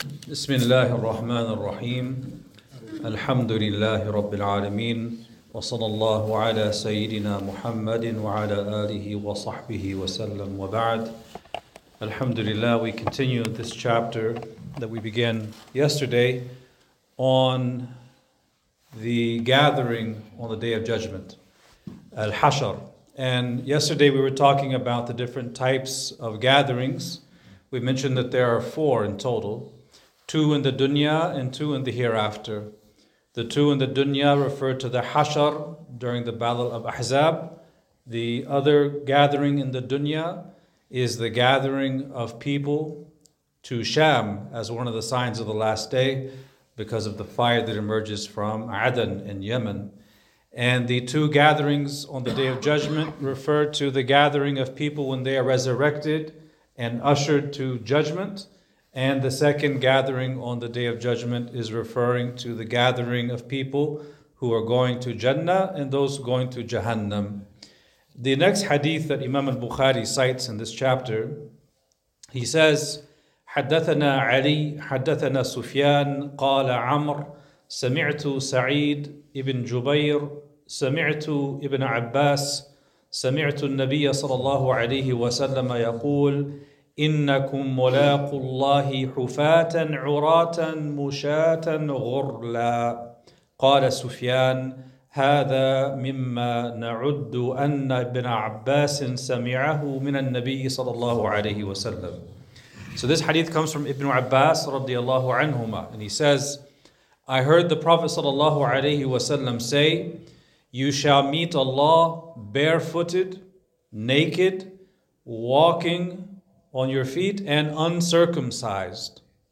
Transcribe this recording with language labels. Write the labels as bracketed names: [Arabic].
[Arabic] بسم الله الرحمن الرحيم الحمد لله رب العالمين وصلى الله على سيدنا محمد وعلى آله وصحبه وسلم وبعد الحمد لله. [English] We continue this chapter that we began yesterday on the gathering on the Day of Judgment, Al-Hashar. And yesterday we were talking about the different types of gatherings. We mentioned that there are four in total, two in the dunya and two in the hereafter. The two in the dunya refer to the Hashar during the Battle of Ahzab. The other gathering in the dunya is the gathering of people to Sham as one of the signs of the last day because of the fire that emerges from Adan in Yemen. And the two gatherings on the Day of Judgment refer to the gathering of people when they are resurrected and ushered to judgment. And the second gathering on the Day of Judgment is referring to the gathering of people who are going to Jannah and those going to Jahannam. The next hadith that Imam al-Bukhari cites in this chapter, he says, [Arabic] حَدَّثَنَا عَلِي حَدَّثَنَا سُفْيَانَ قَالَ عَمْرُ سَمِعْتُ سَعِيدُ إِبْنْ جُبَيْرُ سَمِعْتُ إِبْنْ عَبَّاسُ سَمِعْتُ النَّبِيَّ صَلَى اللَّهُ عَلَيْهِ وَسَلَّمَ يَقُولُ إِنَّكُمْ مُلَاقُ اللَّهِ حُفَاتًا عُرَاتًا مُشَاتًا غُرْلًا قَالَ سُفْيَانَ هَذَا مِمَّا نَعُدُّ أَنَّ إِبْنَ عَبَّاسٍ سَمِعَهُ مِنَ النَّبِيِّ صَلَى اللَّهُ عَلَيْهِ وَسَلَّمُ. [English] So this hadith comes from Ibn Abbas radiallahu anhuma, and he says, I heard the Prophet sallallahu alayhi wasallam say, you shall meet Allah barefooted, naked, walking on your feet, and uncircumcised.